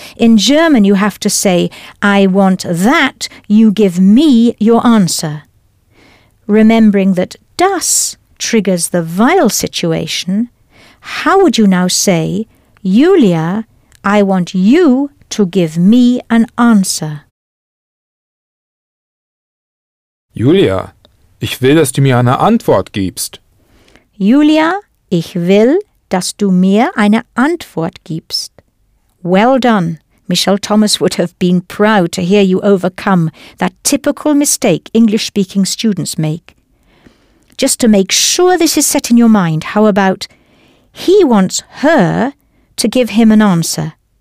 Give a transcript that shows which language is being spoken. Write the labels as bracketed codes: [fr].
[en] In German, you have to say, I want that you give me your answer. Remembering that das triggers the weil situation, how would you now say, Julia, I want you to give me an answer. [de] Julia, ich will, dass du mir eine Antwort gibst. Julia, ich will, dass du mir eine Antwort gibst. [en] Well done. Michelle Thomas would have been proud to hear you overcome that typical mistake English-speaking students make. Just to make sure this is set in your mind, how about, he wants her to give him an answer.